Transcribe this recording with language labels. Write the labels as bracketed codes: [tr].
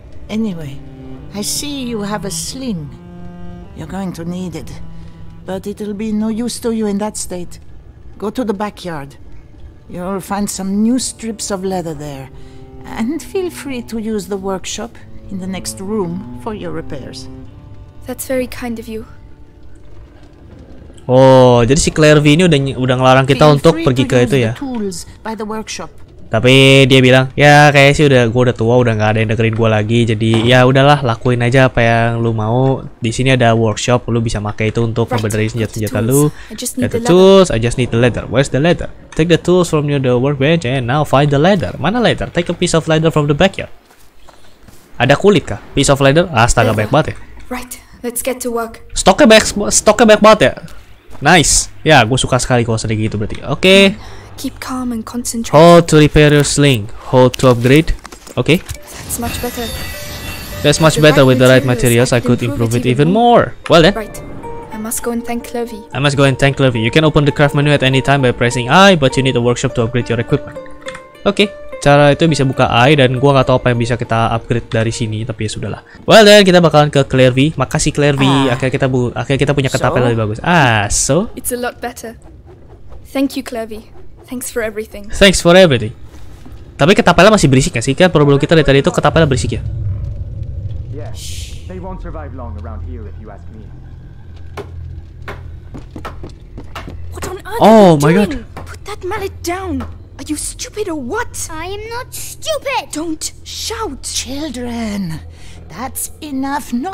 [en] Anyway, I see you have a sling. You're going to need it. But it'll be no use to you in that state. Go to the backyard. You'll find some new strips of leather there. And feel free to use the workshop in the next room for your repairs. That's very kind of you. [id] Oh, jadi si Clairvy ini udah ngelarang kita untuk pergi ke itu ya. [en] Tools by the workshop. [id] Tapi dia bilang, ya kayak sih udah gue udah tua, udah nggak ada yang dengerin gue lagi. Jadi ya udahlah, lakuin aja apa yang lu mau. Di sini ada workshop, lu bisa pakai itu untuk ngebenerin senjata-senjata lu. [en] Get the tools. I just need the ladder. Where's the ladder? Take the tools from your the workbench and now find the ladder. [id] Mana ladder? [en] Take a piece of ladder from the backyard. [id] Ada kulit kah? [en] Piece of ladder? [id] Astaga, banyak banget ya. [en] Right, let's get to work. [id] Stoknya banyak banget ya. Nice. Ya, gue suka sekali kalau sedikit itu berarti. Oke. [en] Keep calm and concentrate. Hold to repair your sling. Hold to upgrade. Okay. That's much better. That's much better with the right materials. I could improve it even more. Well then. Right. I must go and thank Clovey. You can open the craft menu at any time by pressing I, but you need a workshop to upgrade your equipment. Okay. [id] Cara itu bisa buka I dan gua nggak tahu apa yang bisa kita upgrade dari sini, tapi ya sudahlah. [en] Well then, [id] kita bakalan ke Clervy. Makasih Clervy. Akhirnya kita punya ketapel yang lebih bagus. [en] It's a lot better. Thank you Clervy. Thanks for everything. [id] Tapi ketapelnya masih berisik nggak sih? Kan problem kita dari tadi itu ketapelnya berisik ya. [en] Yes. They won't survive long around here if you ask me. What on earth? Oh are you my doing? God. Put that mallet down. Are you stupid or what? I am not stupid. Don't shout. Children. That's enough noise.